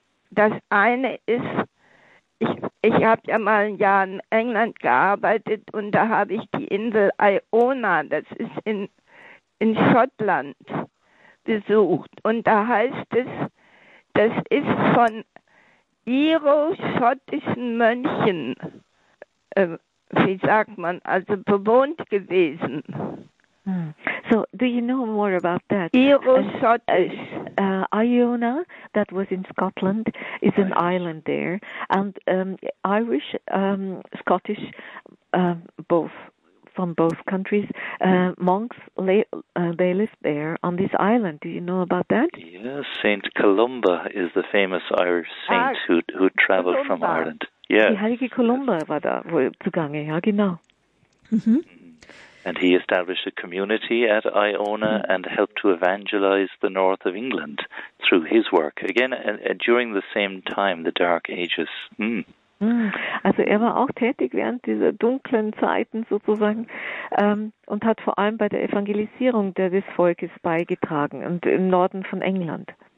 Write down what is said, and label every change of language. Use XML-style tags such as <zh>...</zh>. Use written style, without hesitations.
<de>Das eine ist, ich habe ja mal ein Jahr in England gearbeitet und da habe ich die Insel Iona, das ist in Schottland, besucht. Und da heißt es, das ist von iro-schottischen Mönchen, wie sagt man, also bewohnt gewesen.</de> <en>So, do you know more about that?</en> <de>Iro-schottisch.</de> <en>Iona, that was in Scotland, is an island there. And Irish, Scottish, both. From both countries, monks, they live there on this island. Do you know about that? Yes, St. Columba is the famous Irish saint who traveled Columba. From Ireland. Yes.</en> <de>Die heilige Columba war da zugange, ja genau. Mm-hmm.</de> <en>And he established a community at Iona and helped to evangelize the north of England through his work. Again, during the same time, the Dark Ages. Mm.</en> <de>Also er war auch tätig während dieser dunklen Zeiten sozusagen und hat vor allem bei der Evangelisierung des Volkes beigetragen und im Norden von England.</de>